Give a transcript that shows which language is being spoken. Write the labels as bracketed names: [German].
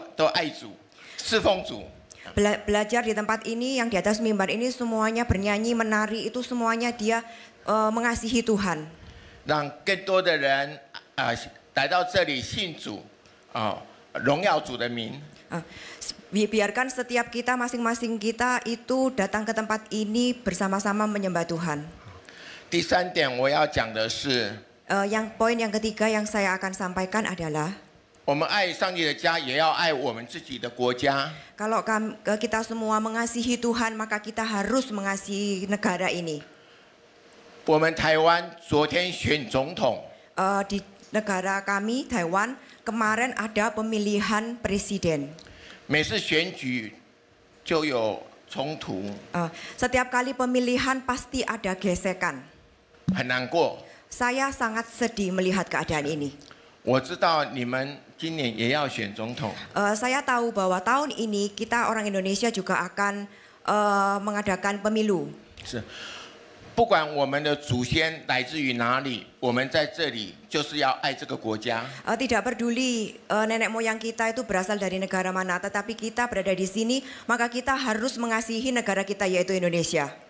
[Chinese] 那我们学习在台上很多的年轻人一起都爱主侍奉主。 [Indonesian] Belajar di tempat ini yang di atas mimbar ini semuanya bernyanyi menari itu semuanya dia mengasihi Tuhan. [Chinese] 让更多的人, 来到这里信主, 哦, 荣耀主的名。 [Indonesian] Biarkan setiap kita masing-masing kita itu datang ke tempat ini bersama-sama menyembah Tuhan. [Chinese] 第三点我要讲的是, [Indonesian] yang poin yang ketiga yang saya akan sampaikan adalah [Chinese] 我们爱上帝的家也要爱我们自己的国家。 [Indonesian] Kalau kita semua mengasihi Tuhan maka kita harus mengasihi negara ini. [Chinese] 我们台湾昨天选总统。 [Indonesian] Di negara kami Taiwan kemarin ada pemilihan presiden. [Chinese] 每次选举就有冲突。 [Indonesian] Setiap kali pemilihan pasti ada gesekan. [Chinese] 很难过。 [Indonesian] Saya sangat sedih melihat keadaan ini. [Chinese] 我知道你们今年也要选总统。 [Indonesian] Saya tahu bahwa tahun ini kita orang Indonesia juga akan mengadakan pemilu. [Chinese] 不管我们的祖先来自于哪里，我们在这里就是要爱这个国家。 [Indonesian] Tidak peduli nenek moyang kita itu berasal dari negara mana, tetapi kita berada di sini, maka kita harus mengasihi negara kita yaitu Indonesia.